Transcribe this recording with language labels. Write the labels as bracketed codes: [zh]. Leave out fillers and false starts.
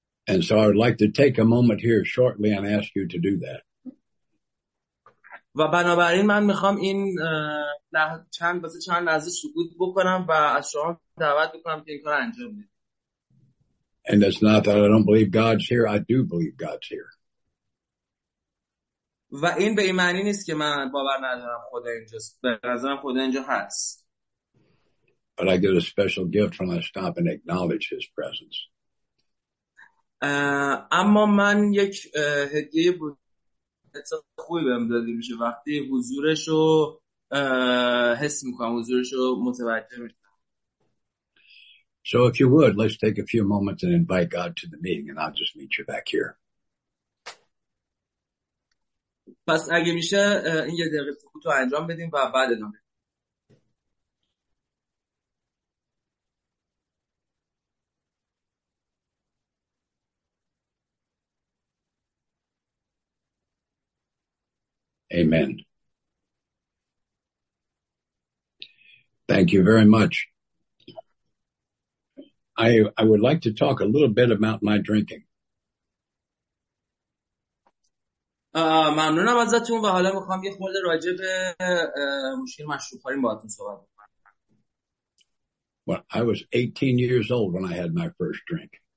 [en] And so I would like to take a moment here shortly and ask you to do that. [fa] و بنابراین من میخوام این چند لحظه سکوت بکنم و از شما دعوت بکنم که این کار انجام بدید. [en] And it's not that I don't believe God's here. I do believe God's here. [fa] و این به این معنی نیست که من باور ندارم خدا اینجاست. به نظرم خدا اینجا هست. [en] But I get a special gift when I stop and acknowledge His presence. [fa] اما من یک هدیه بود. خوبی بهم داده میشه وقتی حضورش رو حس میکنم، حضورش رو متوجه میشه. [en] So if you would, let's take a few moments and invite God to the meeting, and I'll just meet you back here. [fa] پس اگه میشه این یه دقیقه سکوت رو انجام بدیم و بعد ادامه. [en] Amen. Thank you very much. I would like to talk a little bit about my drinking. [fa] ممنونم ازتون و حالا میخوام یه خورده راجع به مشکل مشروب‌خوری باهاتون صحبت بکنم. [en] Well, I was 18 years old when I had my first drink.